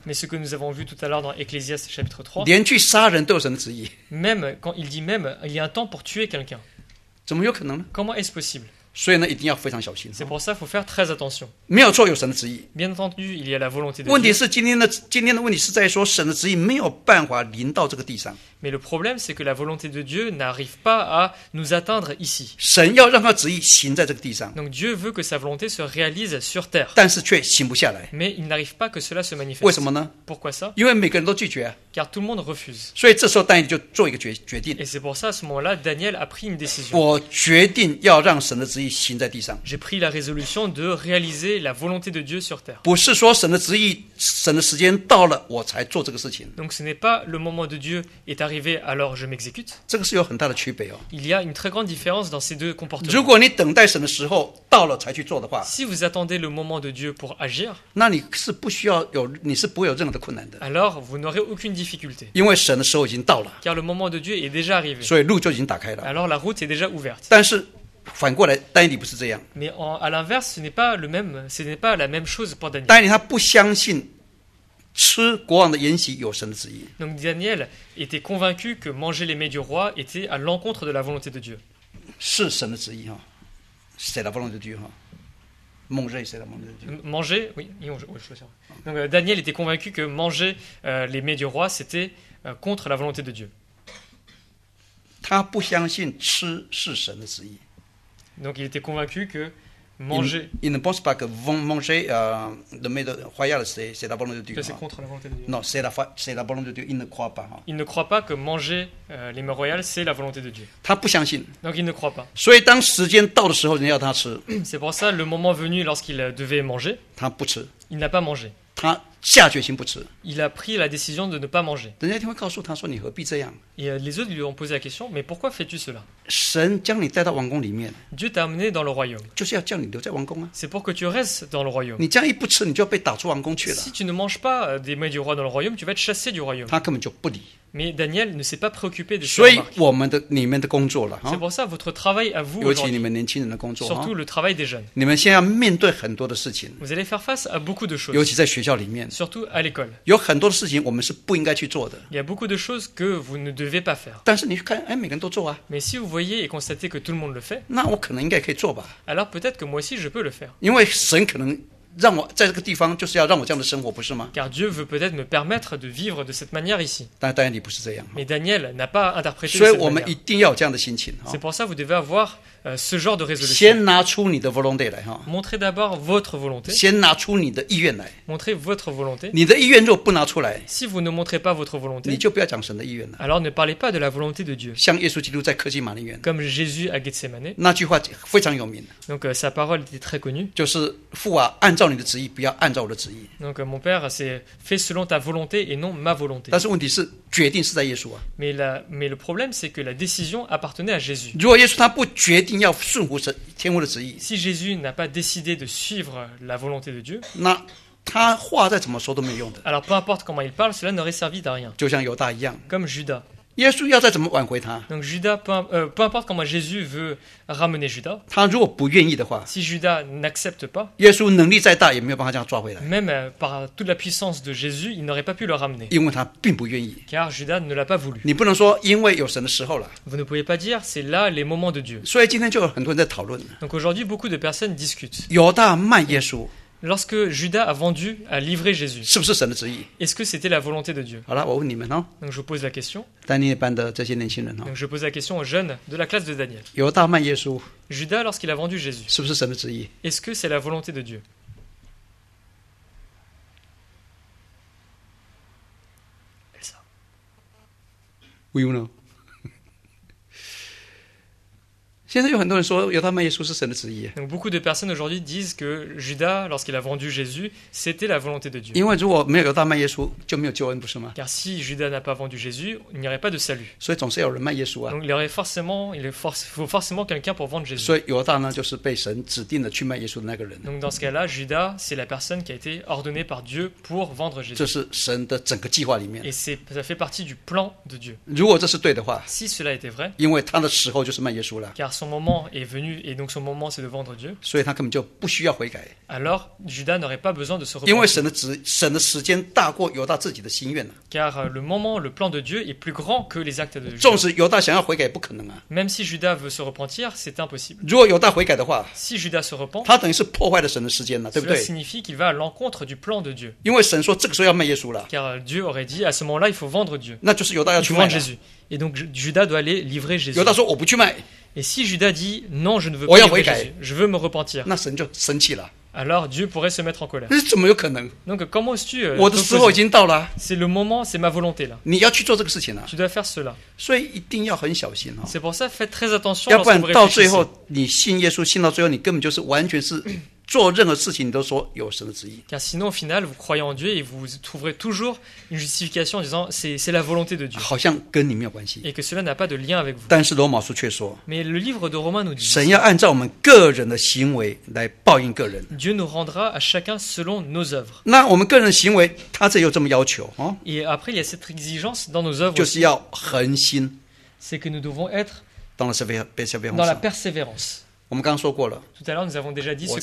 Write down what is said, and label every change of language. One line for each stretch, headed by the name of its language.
French: Mais ce que nous avons vu tout à l'heure dans Ecclésiaste chapitre 3.
Chinese: 连去杀人都有神的旨意。
French: Même quand il dit même, il y a un temps pour tuer quelqu'un.
Chinese: 怎么有可能呢？
French: Comment est-ce possible?
Chinese: 所以呢，一定要非常小心。
French: C'est pour ça qu'il faut faire très attention.
Chinese: 没有错，有神的旨意。
French: Bien entendu, il y a la volonté de Dieu.
Chinese: 问题是今天的问题是在说神的旨意没有办法临到这个地上。
French: Mais le problème, c'est que la volonté de Dieu n'arrive pas à nous atteindre ici.
Chinese: 神要让他旨意行在这个地上。
French: Donc Dieu veut que sa volonté se réalise sur terre.
Chinese: 但是却行不下来。
French: Mais il n'arrive pas que cela se manifeste.
Chinese: 为什么呢？
French: Pourquoi ça?
Chinese: 因为每个人都拒绝啊。
French: Car tout le monde refuse.
Chinese: 所以这时候丹尼就做一个决定。
French: Et c'est pour ça, à ce moment-là, Daniel a pris une décision.
Chinese: 我决定要让神的旨意行在地上。
French: J'ai pris la résolution de réaliser la volonté de Dieu sur terre.
Chinese: 不是说神的旨意，神的时间到了，我才做这个事情。
French: Donc ce n'est pas le moment de Dieu est arrivé. Alors je m'exécute.
Chinese: 这个是有很大的区别哦。
French: Il y a une très grande différence dans ces deux comportements.
Chinese: 如果你等待神的时候到了才去做的话，
French: si vous attendez le moment de Dieu pour agir,
Chinese: 那你是不需要有，你是不会有任何的困难的。
French: Alors vous n'aurez aucune difficulté.
Chinese: 因为神的时候已经到了。
French: Car le moment de Dieu est déjà arrivé.
Chinese: 所以路就已经打开了。
French: Alors la route est déjà ouverte.
Chinese: 但是反过来，丹尼不是这样。
French: Mais à l'inverse, ce n'est pas la même chose pour Daniel.
Chinese: 丹尼他不相信。吃国王的筵席有神的旨意。
French: Donc Daniel était convaincu que manger les mets du roi était à l'encontre de la volonté de Dieu.
Chinese: 是神的旨意哈，是神的
French: volonté de Dieu
Chinese: 哈。
French: Manger, c'est la volonté de Dieu. Manger, oui, oui, je le sais. Donc Daniel était convaincu que manger les mets du roi c'était contre la volonté de Dieu.
Chinese: 他不相信吃是神的旨意。
French: Donc il était convaincu que manger. Il ne pense pas que manger le mets royal, c'est la volonté de Dieu. Que c'est contre la volonté de Dieu. Non, c'est la volonté de Dieu. Il ne croit pas. Il ne croit pas que manger les mets royaux, c'est la volonté de Dieu.
Chinese: 他不相信.
French: Donc il ne croit pas.
Chinese: 所以当时间到的时候，人要他吃.
French: C'est pour ça le moment venu lorsqu'il devait manger.
Chinese: 他不吃.
French: Il n'a pas mangé.
Chinese: 他下决心不吃.
French: Il a pris la décision de ne pas manger.
Chinese: 人家会告诉他说你何必这样.
French: Et les autres lui ont posé la question, mais pourquoi fais-tu cela?
Chinese: 神将你带到王宫里面.
French: Dieu t'a amené dans le royaume.
Chinese: 就是要叫你留在王宫啊.
French: C'est pour que tu restes dans le royaume.
Chinese: 你这样一不吃，你就要被打出王宫去了.
French: Si tu ne manges pas des mets du roi dans le royaume, tu vas être chassé du royaume.
Chinese: 他根本就不理.
French: Mais Daniel ne s'est pas préoccupé de ça.
Chinese: 所以我们的你们的工作了.
French: C'est pour ça votre travail à vous.
Chinese: 尤其你们年轻人的工作.
French: Surtout le travail des jeunes.
Chinese: 你们现在要面对很多的事情.
French: Vous allez faire face à beaucoup de choses.
Chinese: 尤其在学校里面.
French: Surtout à l'école.
Chinese: 有很多的事情我们是不应该去做的.
French: Il y a beaucoup de choses que vous ne devez pas faire.
Chinese: 但是你看，哎，每个人都做啊.
French: Mais si vous voyez et constatez que tout le monde le fait,
Chinese: 那我可能应该可以做吧。
French: Alors peut-être que moi aussi je peux le faire.
Chinese: 因为神可能让我在这个地方就是要让我这样的生活，不是吗？
French: Car Dieu veut peut-être me permettre de vivre de cette manière ici.
Chinese: 但丹尼尔不是这样。
French: Mais Daniel n'a pas interprété.
Chinese: 所以我们一定要有这样的心情。
French: C'est pour ça que vous devez avoir ce genre de résolution.
Chinese: 先拿出你的 volonté 来哈。
French: Montrez d'abord votre volonté.
Chinese: 先拿出你的意愿来。
French: Montrez votre volonté.
Chinese: 你的意愿若不拿出来
French: ，Si vous ne montrez pas votre volonté，
Chinese: 你就不要讲神的意愿了。
French: Alors ne parlez pas de la volonté de Dieu.
Chinese: 像耶稣基督在克西马尼园。
French: Comme Jésus à Gethsemane.
Chinese: 那句话非常有名。
French: Donc sa parole était très connue.
Chinese: 就是父啊，按照你的旨意，不要按照我的旨意。
French: Donc mon père, c'est fait selon ta volonté et non ma volonté.
Chinese: 但是问题是，决定是在耶稣啊。
French: Mais le problème c'est que la décision appartenait à Jésus.
Chinese: 如果耶稣他不决定要顺服神天父的旨意
French: ，Si Jésus n'a pas décidé de suivre la volonté de Dieu,
Chinese: 那他话再怎么说都没用的。
French: Alors peu importe comment il parle, cela n'aurait servi à rien.
Chinese: 就像犹大一样
French: ，Comme Judas.
Chinese: 耶稣要再怎么挽回他
French: ？Donc Judas, peu importe comment Jésus veut ramener Judas.
Chinese: 他如果不愿意的话
French: ，Si Judas n'accepte pas,
Chinese: 耶稣能力再大也没有办法这样抓回来。
French: Même par toute la puissance de Jésus, il n'aurait pas pu le ramener.
Chinese: 因为他并不愿意。
French: Car Judas ne l'a pas voulu.
Chinese: 你不能说因为有神的时候了。
French: Vous ne pouvez pas dire c'est là les moments de Dieu.
Chinese: 所以今天就有很多人在讨论。
French: Donc aujourd'hui, beaucoup de personnes discutent.
Chinese: 犹大卖耶稣。
French: Lorsque Judas a vendu, a livré Jésus,
Chinese: 是不是神的旨意?
French: Est-ce que c'était la volonté de Dieu?
Chinese: 好了，我问你们哦。
French: Donc je pose la question.
Chinese: Daniel 班的这些年轻人哦。
French: Donc je pose la question aux jeunes de la classe de Daniel.
Chinese: 犹大卖耶稣。
French: Judas lorsqu'il a vendu Jésus,
Chinese: 是不是神的旨意?
French: Est-ce que c'est la volonté de Dieu?
Chinese: 为什么呢？现在有很多人说犹大卖耶稣是神的旨意。
French: Donc beaucoup de personnes aujourd'hui disent que Judas, lorsqu'il a vendu Jésus, c'était la volonté de Dieu.
Chinese: 因为如果没有犹大卖耶稣，就没有救恩，不是吗
French: ？Car si Judas n'a pas vendu Jésus, il n'y aurait pas de salut.
Chinese: 所以总是有人卖耶稣啊。
French: Donc il faut forcément quelqu'un pour vendre Jésus.
Chinese: 所以犹大呢，就是被神指定的去卖耶稣的那个人。
French: Donc dans ce cas-là, Judas, c'est la personne qui a été ordonnée par Dieu pour vendre Jésus.
Chinese: 这是神的整个计划里面。
French: Et ça fait partie du plan de Dieu.
Chinese: 如果这是对的话
French: ，Si cela était vrai,
Chinese: 因为他的时候就是卖耶稣了。
French: Car son moment est venu et donc son moment c'est de vendre Dieu.
Chinese: 所以他根本就不需要悔改。
French: Alors Judas n'aurait pas besoin de se repentir.
Chinese: 因为神的时间大过犹大自己的心愿呢。
French: Car le moment, le plan de Dieu est plus grand que les actes de Judas.
Chinese: 纵使犹大想要悔改，不可能啊。
French: Même si Judas veut se repentir, c'est impossible.
Chinese: 如果犹大悔改的话
French: ，Si Judas se repent,
Chinese: 他等于是破坏了神的时间了，对不对
French: ？Cela signifie qu'il va à l'encontre du plan de Dieu.
Chinese: 因为神说这个时候要卖耶稣了。
French: Car Dieu aurait dit à ce moment-là il faut vendre Dieu.
Chinese: 那就是犹大要去卖Jésus.
French: Et donc Judas doit aller livrer Jésus.
Chinese: 犹大说我不去卖。
French: Et si Judas dit « Non, je ne veux pas livrer Jésus, je veux me repentir. »
Chinese: 那神就生气了。
French: Alors Dieu pourrait se mettre en colère.
Chinese: 那怎么有可能？
French: Donc comment est-ce que
Chinese: 我的时候已经到了。
French: C'est le moment, c'est ma volonté là.
Chinese: 你要去做这个事情了。
French: Tu dois faire cela.
Chinese: 所以一定要很小心哦。
French: C'est pour ça, faites très attention.
Chinese: 要不然到最后，你信耶稣信到最后，你根本就是完全是做任何事情你都说有神的旨意。
French: Car sinon au final, vous croyez en Dieu et vous trouverez toujours une justification en disant c'est la volonté de Dieu.
Chinese: 好像跟你没有关系。
French: Et que cela n'a pas de lien avec vous.
Chinese: 但是罗马书却说。
French: Mais le livre de Romains nous dit.
Chinese: 神要按照我们个人的行为来报应个人。
French: Dieu nous rendra à chacun selon nos œuvres.
Chinese: 那我们个人行为，他这又这么要求啊、
French: 哦、？Et après il y a cette exigence dans nos œuvres.
Chinese: 就是要恒心。
French: C'est que nous devons être dans la persévérance. Dans la persévérance.
Chinese: 我们刚刚说过了。
French: Tout à l'heure, nous avons déjà dit ce que